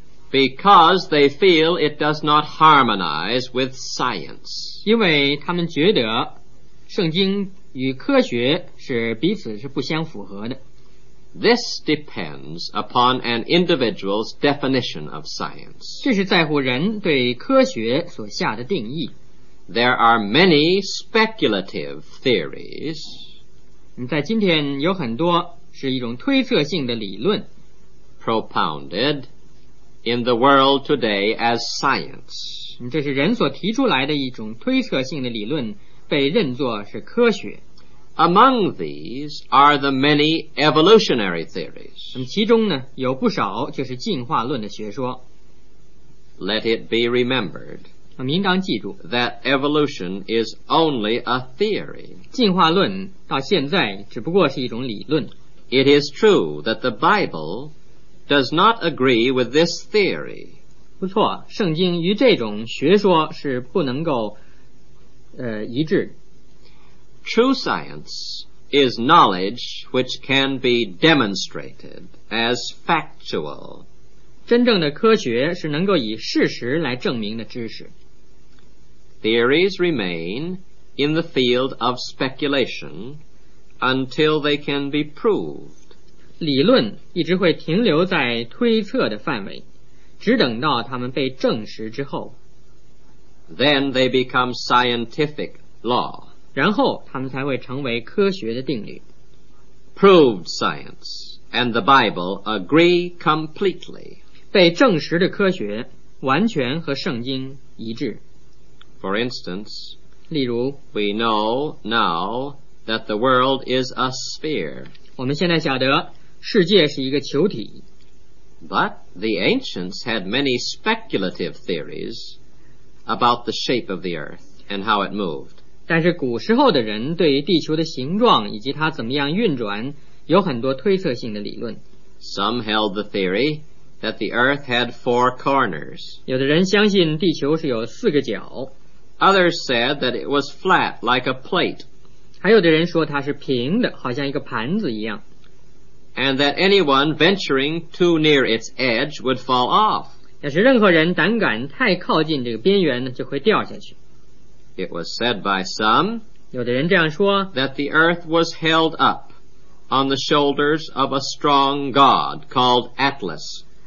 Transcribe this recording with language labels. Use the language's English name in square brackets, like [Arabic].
[English] Because they feel it does not harmonize with science. [Chinese] 因为他们觉得圣经与科学是彼此是不相符合的。 [English] This depends upon an individual's definition of science. [Chinese] 这是在乎人对科学所下的定义。 [English] There are many speculative theories. [Chinese] 在今天有很多是一种推测性的理论。 [English] Propounded in the world today as science. [Chinese] 这是人所提出来的一种推测性的理论，被认作是科学。 [English] Among these are the many evolutionary theories. [Chinese] 其中呢，有不少就是进化论的学说。 [English] Let it be remembered. [Chinese] 应当记住。 [English] That evolution is only a theory. [Chinese] 进化论到现在只不过是一种理论。 [English] It is true that the Bible does not agree with this theory. [Chinese] 不错，圣经与这种学说是不能够一致。 [English] True science is knowledge which can be demonstrated as factual. [Chinese] 真正的科学是能够以事实来证明的知识。 [English] Theories remain in the field of speculation until they can be proved. [Chinese] 理论一直会停留在推测的范围，只等到它们被证实之后。 [English] Then they become scientific law. [Chinese] 然后他们才会成为科学的定律。 [English] Proved science and the Bible agree completely. [Chinese] 被证实的科学完全和圣经一致。 [English] For instance, [Chinese] 例如 [English] we know now that the world is a sphere. [Chinese] 我们现在晓得世界是一个球体。 [English] But the ancients had many speculative theories about the shape of the earth and how it moved. [Chinese] 但是古时候的人对于地球的形状以及它怎么样运转有很多推测性的理论。 [English] Some held the theory that the earth had four corners. [Chinese] 有的人相信地球是有四个角。 [English] Others said that it was flat like a plate. [Chinese] 还有的人说它是平的，好像一个盘子一样。 [English] And that anyone venturing too near its edge would fall off. [Chinese] 要是任何人胆敢太靠近这个边缘呢，就会掉下去。 [English] It was said by some, [Chinese] 有的人这样说, [English] that the earth was held up on the shoulders of a strong god called Atlas.